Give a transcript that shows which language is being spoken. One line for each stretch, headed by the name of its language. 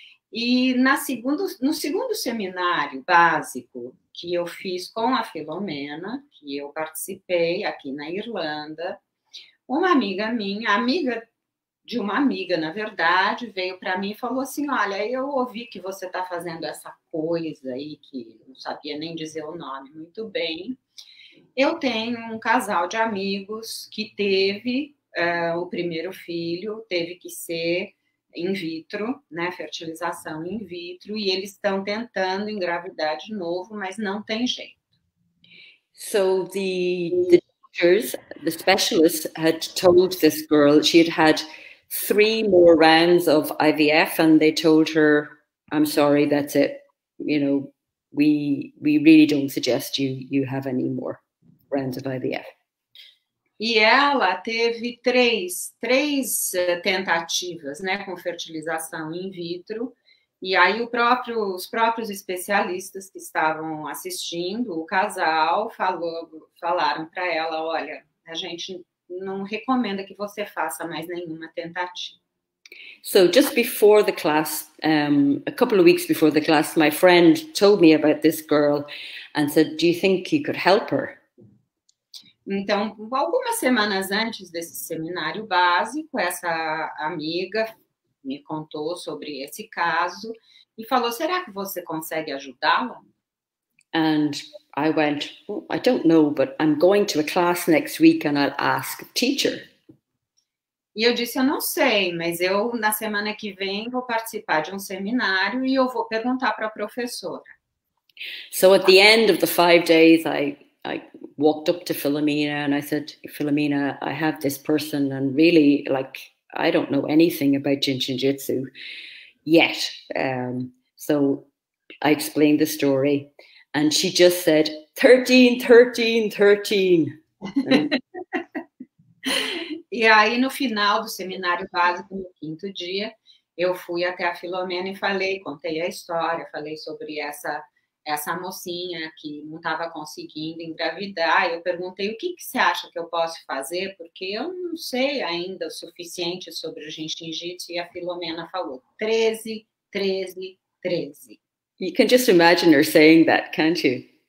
Portuguese: E no segundo seminário básico que eu fiz com a Filomena, que eu participei aqui na Irlanda, uma amiga minha, amiga de uma amiga, na verdade, veio para mim e falou assim, olha, eu ouvi que você está fazendo essa coisa aí, que não sabia nem dizer o nome muito bem. Eu tenho um casal de amigos que teve o primeiro filho, teve que ser in vitro, né, fertilização in vitro, e eles estão tentando engravidar de novo, mas não tem jeito.
English: So the doctors, the specialists had told this girl she had had three more rounds of IVF, and they told her, I'm sorry, that's it. You know, we really don't suggest you have any more rounds of IVF.
Portuguese: E ela teve três tentativas, né, com fertilização in vitro, e aí os próprios especialistas que estavam assistindo o casal falaram para ela, olha, a gente não recomenda que você faça mais nenhuma tentativa.
English: So just before the class, a couple of weeks before the class, my friend told me about this girl and said, do you think you could help her?
Portuguese: Então, algumas semanas antes desse seminário básico, essa amiga me contou sobre esse caso e falou, será que você consegue ajudá-la?
English: And I went, I don't know, but I'm going to a class next week and I'll ask the teacher.
Portuguese: E eu disse, eu não sei, mas eu, na semana que vem, vou participar de seminário e eu vou perguntar para a professora.
English: So at the end of the 5 days, I walked up to Filomena and I said, Filomena, I have this person and really, like, I don't know anything about Jin Shin Jyutsu yet. So I explained the story. And she just said, 13, 13, 13.
Portuguese: E aí, no final do seminário básico, no quinto dia, eu fui até a Filomena e falei, contei a história, falei sobre essa mocinha que não estava conseguindo engravidar. Eu perguntei, o que, que você acha que eu posso fazer? Porque eu não sei ainda o suficiente sobre o Jin Shin Jyutsu. E a Filomena falou, 13, 13, 13.
English: You can just imagine her saying that, can't you?